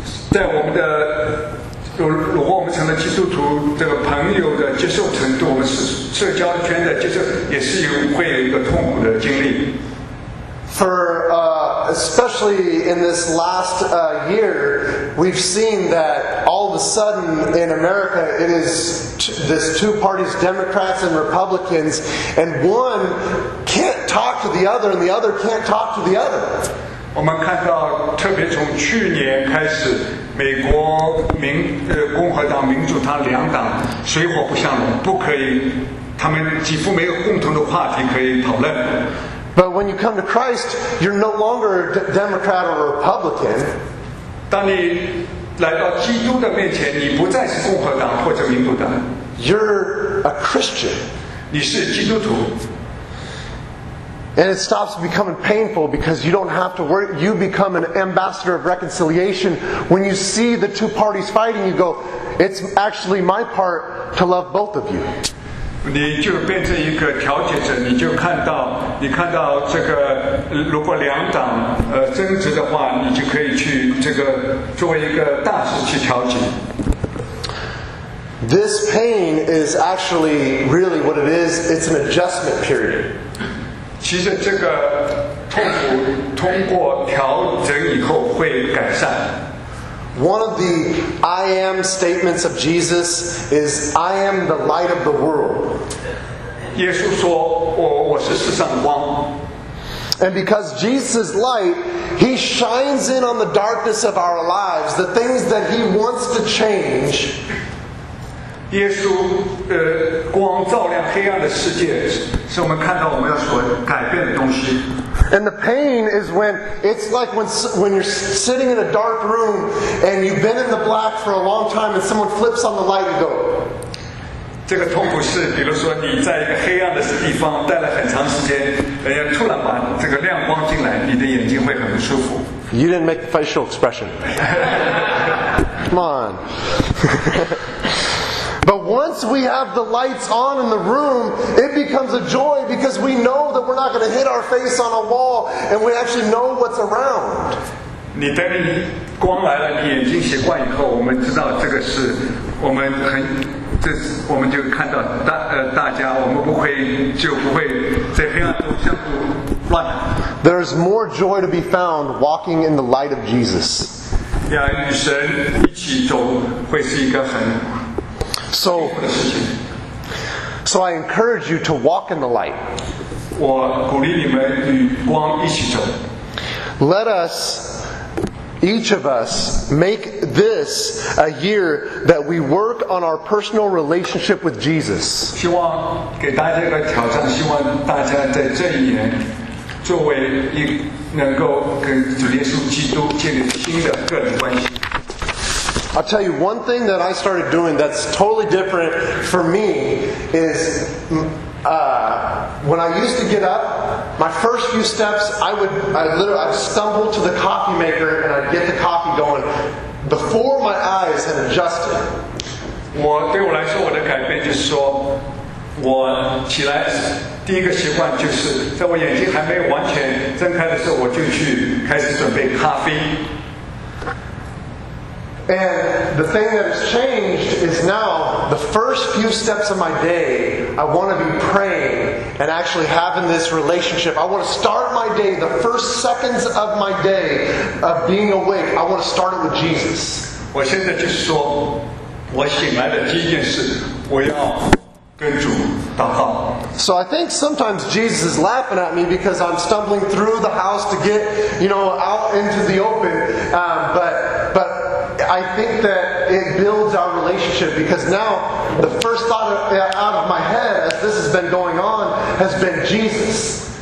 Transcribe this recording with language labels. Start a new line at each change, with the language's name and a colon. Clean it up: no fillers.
Chinese: 在我们的如果我们成了基督徒，这个朋友的接受程度，我们社交圈的接受，也是会有一个痛苦的经历。
English: For especially in this last year, we've seen that all of a sudden in America, it is this two parties, Democrats and Republicans, and one can't talk to the other, and the other can't talk to the other.
Chinese: 我们看到，特别从去年开始。美国共和党、民主党两党水火不相容，不可以，他们几乎没有共同的话题可以讨论。
English: But when you come to Christ, you're no longer Democrat or Republican.
Chinese: 当你来到基督的面前，你不再是共和党或者民主党。
English: You're a Christian.
Chinese: 你是基督徒。
English: And it stops becoming painful because you don't have to worry. You become an ambassador of reconciliation. When you see the two parties fighting, you go, it's actually my part to love both of you.
Chinese: 你就变成一个调解者，你就看到这个，如果两党争执的话，你就可以去这个作为一个大使去调解。
English: This pain is actually really what it is. It's an adjustment period.
Chinese: 其实这个痛苦通过调整以后会改善。
English: One of the I am statements of Jesus is I am the light of the world.
Chinese: 耶稣说我是世上的光。
English: And because Jesus is light, he shines in on the darkness of our lives, the things that he wants to change.
Chinese: 耶稣光照亮黑暗的世界，是我们看到我们要所改变的东西。
English: And the pain is when it's like when you're sitting in a dark room and you've been in the black for a long time and someone flips on the light and go.
Chinese: 这个痛苦是，比如说你在一个黑暗的地方待了很长时间，人家突然把这个亮光进来，你的眼睛会很不舒服。
English: You didn't make the facial expression. Come on. But once we have the lights on in the room, it becomes a joy because we know that we're not going to hit our face on a wall and we actually know what's around.
Chinese: 你灯光来了，你眼睛习惯以后，我们知道这个是我们很，这是我们就看到大大家，我们不会就不会在黑暗中相互乱。
English: There is more joy to be found walking in the light of Jesus.
Chinese: 与神一起走会是一个很
English: So I encourage you to walk in the light.
Chinese: 我鼓励你们与光一起走。
English: Let us. Each of us make this a year that we work on our personal relationship with Jesus.
Chinese: 希望给大家一个挑战，希望大家在这一年，作为一能够跟主耶稣基督建立新的个人关系。
English: I'll tell you one thing that I started doing that's totally different for me is, when I used to get up. My first few steps, I'd stumble to the coffee maker and I'd get the coffee going before my eyes had adjusted.
Chinese: 我对我来说，我的改变就是说，我起来第一个习惯就是在我眼睛还没有完全睁开的时候，我就去开始准备咖啡。
English: And the thing that has changed is now the first few steps of my day, I want to be praying and actually having this relationship. I want to start my day, the first seconds of my day of being awake, I want to start it with Jesus.
Chinese: 我现在就是说，我醒来的第一件事，我要跟主祷告。
English: So I think sometimes Jesus is laughing at me because I'm stumbling through the house to get, you know, out into the open, but I think that it builds our relationship because now the first thought out of my head as this has been going on has been Jesus.